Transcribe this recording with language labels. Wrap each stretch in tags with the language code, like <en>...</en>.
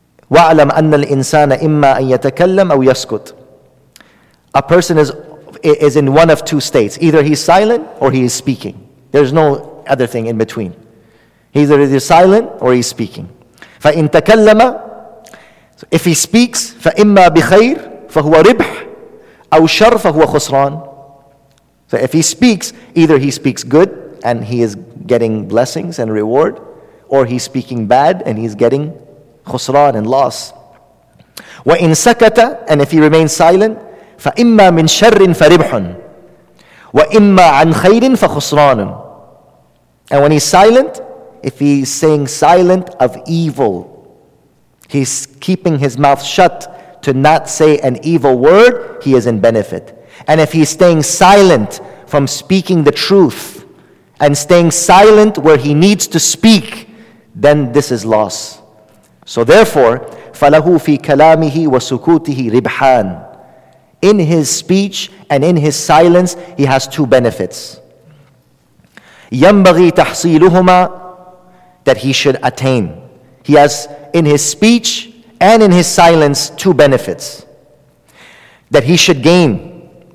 <ar>وَعْلَمْ أَنَّ الْإِنسَانَ إِمَّا أَن يَتَكَلَّمْ أَوْ يَسْكُتْ.</ar> <en>A person is in one of two states. Either he's silent or he is speaking. There's no other thing in between. Either he is silent or he's speaking.</en> <ar>فَإِن تَكَلَّمَ,</ar> <en>so if he speaks,</en> <ar>فَإِمَّا بِخَيْرٍ فَهُوَ رِبْحٌ أَوْ شَرٌّ فَهُوَ خُسْرَانٌ.</ar> <en>So if he speaks, either he speaks good and he is getting blessings and reward, or he's speaking bad and he's getting خُسْرَانٌ and loss.</en> <ar>وَإِن سَكَتَ,</ar> <en>and if he remains silent,</en> <ar>فَإِمَّا مِن شَرٍ فَرِبْحٌ وَإِمَّا عَنْ خَيْرٍ فَخُسْرَانٌ.</ar> <en>And when he's silent, if he's saying silent of evil, he's keeping his mouth shut to not say an evil word, he is in benefit. And if he's staying silent from speaking the truth and staying silent where he needs to speak, then this is loss. So therefore,</en> <ar>فَلَهُ فِي كَلَامِهِ وَسُكُوتِهِ رِبْحَانٌ.</ar> <en>In his speech and in his silence, he has two benefits.</en> <ar>يَنْبَغِي تَحْصِيلُهُمَا,</ar> <en>that he should attain. He has in his speech and in his silence two benefits that he should gain.</en>